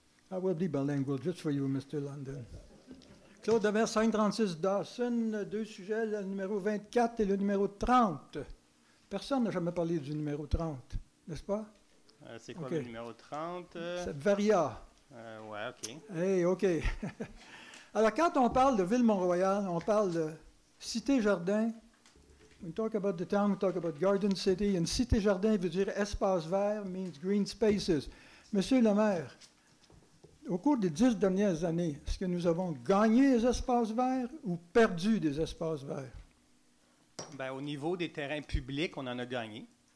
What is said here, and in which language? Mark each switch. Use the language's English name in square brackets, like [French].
[English] I will be bilingual just for you, Mr. London. [French] Claude Devers, 536 Dawson, deux sujets, le numéro 24 et le numéro 30. Personne n'a jamais parlé du numéro 30, n'est-ce pas? C'est quoi, okay. Le numéro 30? C'est Varia. Ouais, OK. Hey, OK. Alors, quand on parle de Ville-Mont-Royal, on parle de Cité-Jardin. [English] When we talk about the town, we talk about Garden City. [French] And Cité-Jardin veut dire espace vert, [English] means green spaces. [French] Monsieur le maire, au cours des 10 dernières années, est-ce que nous avons gagné des espaces verts ou perdu des espaces verts? Bien, au niveau des terrains publics, on en a gagné.